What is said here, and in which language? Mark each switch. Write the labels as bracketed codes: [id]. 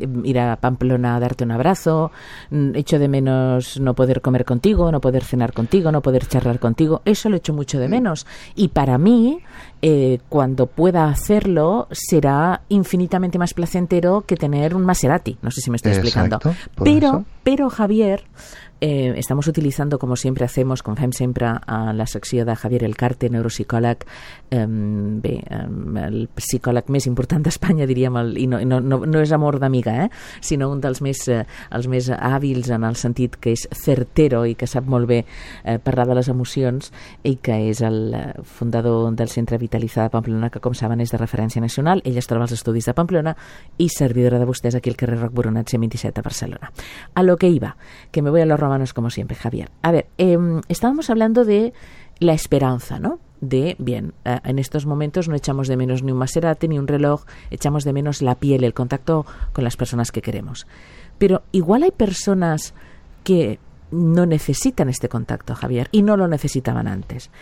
[es] ir a Pamplona a darte un abrazo, echo de menos no poder comer contigo, no poder cenar contigo, no poder charlar contigo, eso lo echo mucho de menos. Y para mí, cuando pueda hacerlo, será infinitamente más placentero que tener un Maserati, no sé si me estoy explicando. Exacto, por Pero, eso. [ca] Javier, [es] estamos utilizando, como siempre hacemos con FemSempra, a la sección de Javier Elcarte, [ca] neuropsicòleg, el psicòleg més important d'Espanya, diríem, i no és amor d'amiga, sinó un dels més, els més hàbils en el sentit que és certero i que sap molt bé parlar de les emocions i que és el fundador del Centre Vitalitzat de Pamplona, que com saben és de referència nacional. Ell es troba als estudis de Pamplona i servidora de vostès aquí al carrer Roc Boronat 127 a Barcelona. [es] A lo que iba, que me voy a los romanos como siempre, Javier. A ver, estábamos hablando de la esperanza, ¿no? De, bien, en estos momentos no echamos de menos ni un Maserati ni un reloj, echamos de menos la piel, el contacto con las personas que queremos. Pero igual hay personas que no necesitan este contacto, Javier, y no lo necesitaban antes.